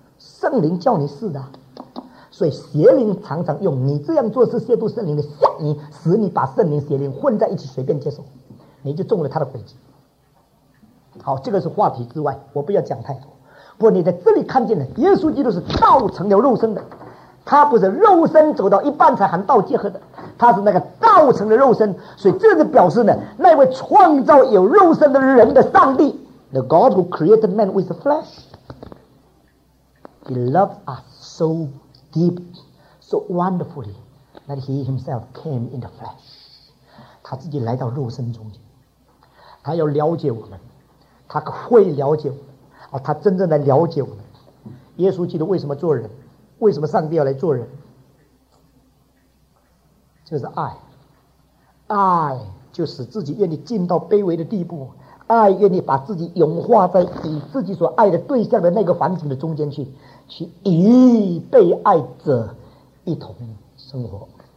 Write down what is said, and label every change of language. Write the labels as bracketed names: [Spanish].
[Chinese] 圣灵叫你试的，所以邪灵常常用你这样做是亵渎圣灵的，吓你，使你把圣灵邪灵混在一起随便接受，你就中了他的诡计。好，这个是话题之外，我不要讲太多。不过你在这里看见了，耶稣基督是道成了肉身的，他不是肉身走到一半才含道结合的，他是那个道成的肉身。所以这就表示呢，那位创造有肉身的人的上帝， [English] The God who created man with the flesh, He loved us so deep, so wonderfully, that He Himself came in the flesh. [Chinese] 他自己来到肉身中间，他要了解我们，他会了解我们，他真正来了解我们。耶稣基督为什么做人？为什么上帝要来做人？就是爱，爱就使自己愿意进到卑微的地步，爱愿意把自己融化在与自己所爱的对象的那个环境的中间去，去与被爱者一同生活。